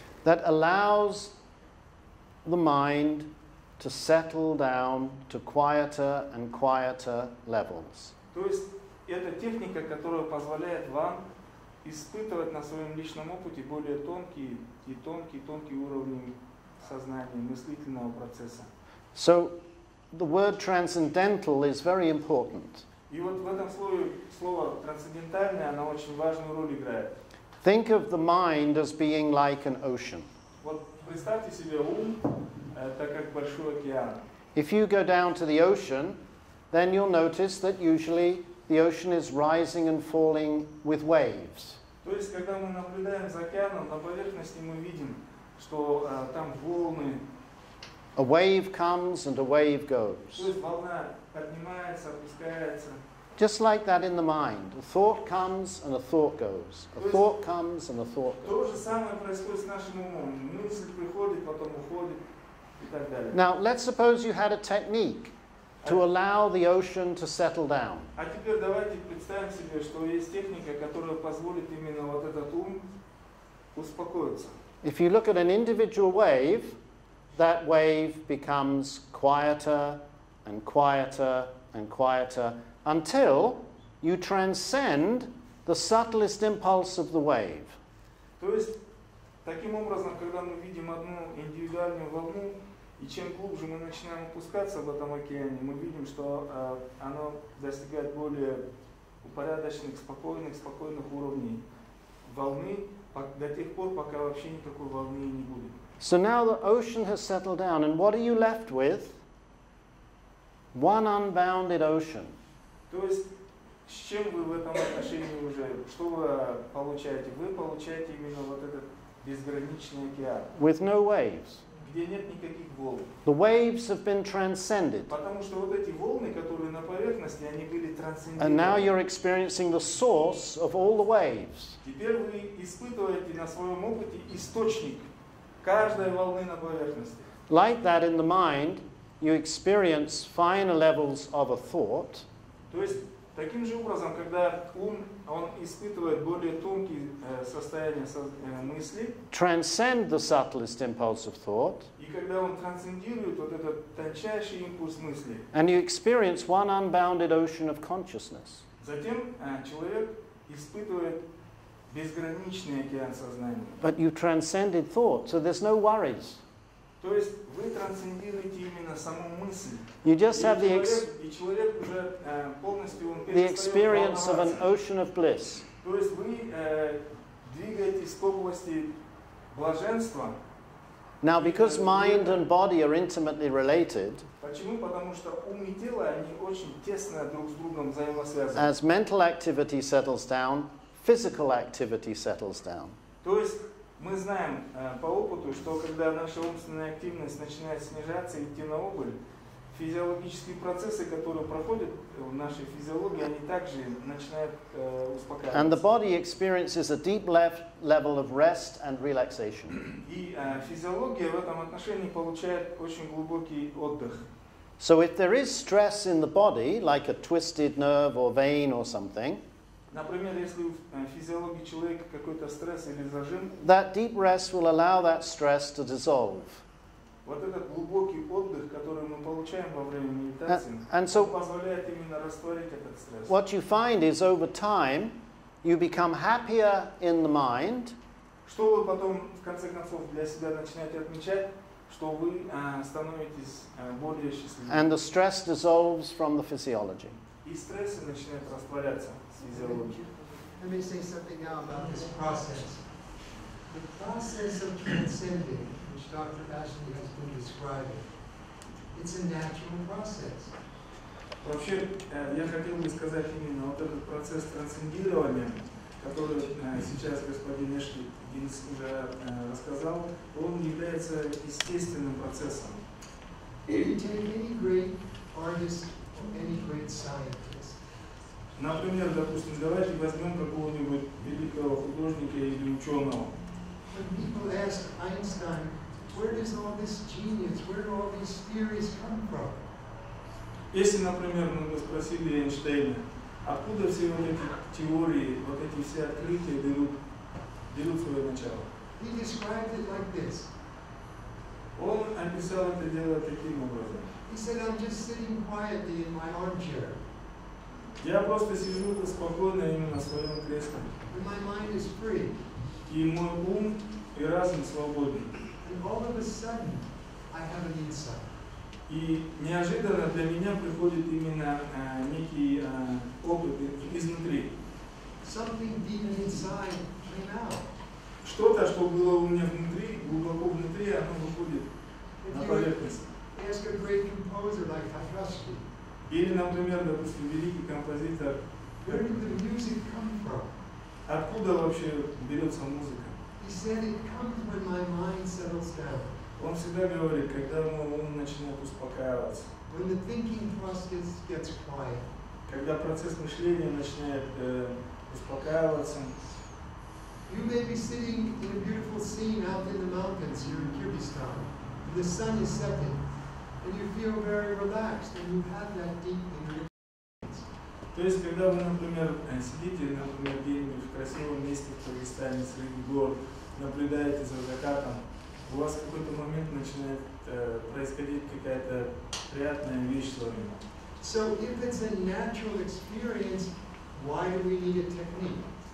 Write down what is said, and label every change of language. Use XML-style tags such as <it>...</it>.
<en>That allows the mind to settle down to quieter and quieter levels.</en> <ru>То есть это техника, которая позволяет вам испытывать на своем личном опыте более тонкие и тонкие уровни сознания, мыслительного процесса.</ru> <en>So the word transcendental is very important.</en> <ru>И вот в этом слове слово трансцендентальное, оно очень важную роль играет.</ru> <en>Think of the mind as being like an ocean.</en> <ru>Вот представьте себе ум, это как большой океан.</ru> <en>If you go down to the ocean, then you'll notice that usually the ocean is rising and falling with waves.</en> <ru>То есть, когда мы наблюдаем за океаном, на поверхности мы видим, что там волны.</ru> <en>A wave comes and a wave goes.</en> <ru>То есть волна поднимается, опускается.</ru> <en>Just like that in the mind. A thought comes and a thought goes. A thought comes and a thought goes.</en> <ru>То же самое происходит с нашим умом. Мысль приходит, потом уходит и так далее.</ru> <en>Now, let's suppose you had a technique to allow the ocean to settle down.</en> <ru>А теперь давайте представим себе, что есть техника, которая позволит именно вот этот ум успокоиться.</ru> <en>If you look at an individual wave, that wave becomes quieter and quieter and quieter until you transcend the subtlest impulse of the wave.</en> <ru>То есть, таким образом, когда мы видим одну индивидуальную волну, и чем глубже мы начинаем опускаться в этом океане, мы видим, что оно достигает более упорядоченных, спокойных уровней волны до тех пор, пока вообще никакой волны не будет.</ru> <en>So now the ocean has settled down, and what are you left with? One unbounded ocean.</en> <ru>То есть, с чем вы в этом отношении уже, что вы получаете? Вы получаете именно вот этот безграничный океан.</ru> <en>With no waves.</en> <ru>Где нет никаких волн.</ru> <en>The waves have been transcended.</en> <ru>Потому что вот эти волны, которые на поверхности, они были трансцендированы.</ru> <en>And now you're experiencing the source of all the waves.</en> <ru>Теперь вы испытываете на своем опыте источник каждой волны на поверхности.</ru> <en>Like that in the mind, you experience finer levels of a thought.</en> <ru>То есть, таким же образом, когда ум, он испытывает более тонкие состояния мысли,</ru> <en>transcend the subtlest impulse of thought,</en> <ru>и когда он трансцендирует вот этот тончайший импульс мысли,</ru> <en>and you experience one unbounded ocean of consciousness.</en> <ru>Затем человек испытывает безграничный океан сознания.</ru> <en>But you transcended thought, so there's no worries.</en> <ru>То есть вы трансцендируете именно саму мысль.</ru> <en>You just have the</en> <ru>человек уже полностью он</ru> <en>the experience of an ocean of bliss.</en> <ru>То есть вы двигаетесь к области блаженства.</ru> <en>Now, because mind and body are intimately related,</en> <ru>почему? Потому что ум и тело они очень тесно друг с другом взаимосвязаны.</ru> <en>As mental activity settles down, physical activity settles down.</en> <ru>То есть мы знаем по опыту, что когда наша умственная активность начинает снижаться и идти на убыль, физиологические процессы, которые проходят в нашей физиологии, они также начинают успокаиваться.</ru> <en>And the body experiences a deep level of rest and relaxation.</en> <ru>И физиология в этом отношении получает очень глубокий отдых.</ru> <en>So if there is stress in the body, like a twisted nerve or vein or something,</en> <ru>например, если в физиологии человека какой-то стресс или зажим,</ru> <en>that deep rest will allow that stress to dissolve.</en> <ru>Вот этот глубокий отдых, который мы получаем во время медитации, он позволяет именно растворить этот стресс.</ru> <en>What you find is over time, you become happier in the mind.</en> <ru>Что вы потом, в конце концов, для себя начинаете отмечать, что вы становитесь более счастливым.</ru> <en>And the stress dissolves from the physiology.</en> <ru>И стрессы начинают растворяться.</ru> <en>Let me say something now about this process. The process of transcending, which Dr. Ashley has been describing, it's a natural process.</en> <ru>Вообще, я хотел бы сказать именно вот этот процесс трансцендирования, который сейчас господин Ашли уже рассказал, он является естественным процессом.</ru> <en>If you take any great artist or any great scientist,</en> <ru>например, допустим, давайте возьмем какого-нибудь великого художника или ученого.</ru> <en>when people ask Einstein, where does all this genius, where do all these theories come from?</en> <ru>Если, например, мы бы спросили Эйнштейна, откуда все вот эти теории, вот эти все открытия берут свое начало?</ru> <en>He described it like this.</en> <ru>Он описал это дело таким образом.</ru> <en>He said, I'm just sitting quietly in my armchair.</en> <ru>Я просто сижу спокойно именно в своем кресле.</ru> <en>And my mind is free.</en> <ru>И мой ум и разум свободны.</ru> <en>And all of a sudden, I have an insight.</en> <ru>И неожиданно для меня приходит именно некий опыт изнутри.</ru> <en>Something deep inside came out.</en> <ru>Что-то, что было у меня внутри, глубоко внутри, оно выходит на поверхность.</ru> <en>Ask a great composer like Tchaikovsky.</en> <ru>Или, например, допустим, великий композитор.</ru> <en>Where did the music come from?</en> <ru>Откуда вообще берется музыка?</ru> <en>He said it comes when my mind settles down.</en> <ru>Он всегда говорит, когда мой ум начинает успокаиваться.</ru> <en>When the thinking process gets quiet.</en> <ru>Когда процесс мышления начинает успокаиваться.</ru> <en>You may be sitting in a beautiful scene out in the mountains here in Kyrgyzstan. And the sun is setting. And you feel very relaxed and you have that deep inner experience.</en> <ru>То есть, когда вы, например, сидите, например, где-нибудь в красивом месте в Кыргызстане, среди гор, наблюдаете за закатом, у вас в какой-то момент начинает происходить какая-то приятная вещь с вами.</ru> <en>So if it's a natural experience, why do we need a technique?</en>